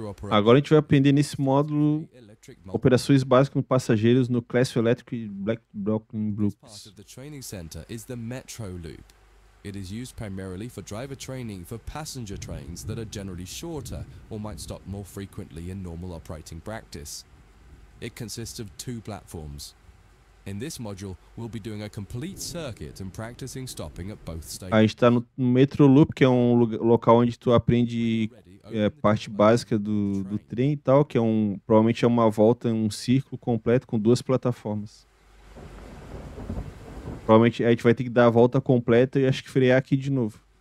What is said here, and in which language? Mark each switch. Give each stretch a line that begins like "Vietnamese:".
Portuguese: Agora a gente vai aprender nesse módulo operações básicas com passageiros no Classio Electric Black Brooklyn Brooks.
English: Part of the training center is the Metro Loop. It is used primarily for driver training for passenger trains that are generally shorter or might stop more frequently in normal operating practice. It consists of two platforms. In this module, we'll be doing a complete circuit and practicing stopping at both stations.
Portuguese: A gente está no Metro Loop, que é um local onde tu aprende parte básica do trem e tal, que é provavelmente é uma volta, um círculo completo com duas plataformas. Provavelmente a gente vai ter que dar a volta completa e acho que frear aqui de novo.